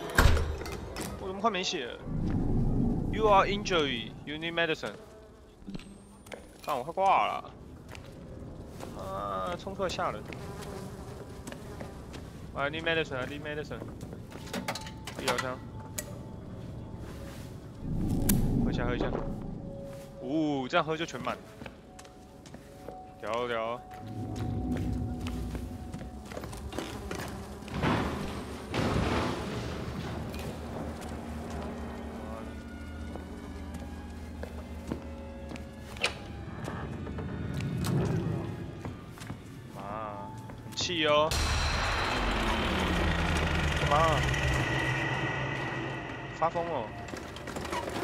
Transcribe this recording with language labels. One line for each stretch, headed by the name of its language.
Chinese: 厨房。我去！啊！痛！我没防御哦！我靠！我怎么快没血了 ？
English: You are injured. You need medicine.
Chinese: 但我快挂了。啊！冲出来吓人。
English: I need medicine. I need medicine.
Chinese: 医疗箱。喝一下，哦，这样喝就全满。屌屌，妈，很气哦，妈，发疯哦。